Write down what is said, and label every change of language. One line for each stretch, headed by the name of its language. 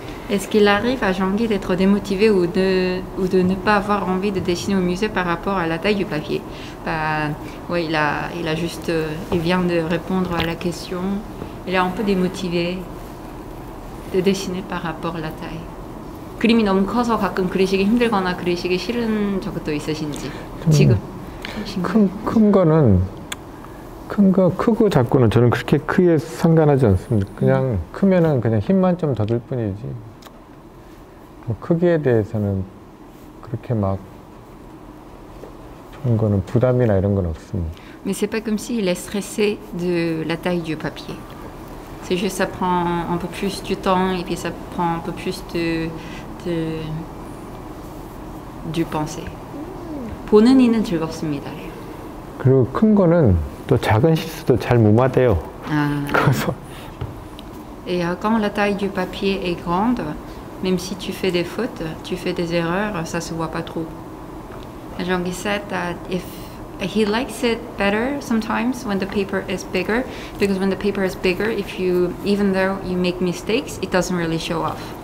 French: Est-ce qu'il arrive à Jonggi d'être démotivé ou de ne pas avoir envie de dessiner au musée par rapport à la taille du papier? Bah, ouais, il a juste, il vient de répondre à la question. Il est un peu démotivé de dessiner par rapport à la taille.
Korean: 그림이 너무 커서 가끔 그리시기 힘들거나 그리시기 싫은 적도 있으신지 지금 큰 거는 큰 거 크고 작고는 저는 그렇게 크게 상관하지 않습니다. 그냥 크면은 그냥 힘만 좀 더 들 뿐이지. 뭐 크기에 대해서는 그렇게 막 그런 거는 부담이나 이런 건 없습니다.
French: Mais c'est pas comme si il est stressé de la taille du papier. C'est juste ça prend un peu plus du temps et puis ça prend un peu plus de penser.
Korean: 보는 이는 즐겁습니다. 그리고 큰 거는 또 작은 실수도 잘 무마돼요. 아. 그래서
French: Et quand la taille du papier est grande, même si tu fais des fautes, tu fais des erreurs, ça se voit pas trop.
English: Jonggi said that if he likes it better sometimes when the paper is bigger, because when the paper is bigger, if you even though you make mistakes, it doesn't really show off.